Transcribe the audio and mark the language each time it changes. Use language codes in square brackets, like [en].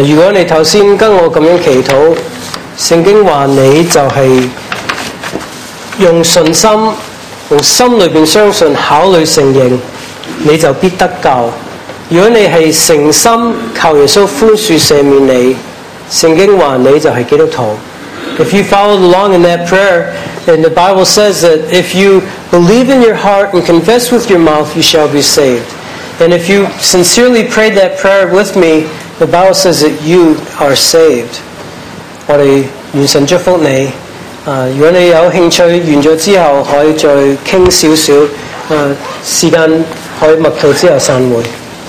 [zh] 如果你刚才跟我这样祈祷，圣经说你就是用信心，用心里面相信，考虑承认，你就必得救。如果你是诚心求耶稣宽恕赦免你，圣经说你就是基督徒。 [en] If you followed along in that prayer, then the Bible says that if you believe in your heart and confess with your mouth, you shall be saved. And if you sincerely prayed that prayer with me, the Bible says that you are saved. [zh] 我们愿神祝福你。如果你有兴趣，完了之后可以再谈一点，时间可以默祷之后散会。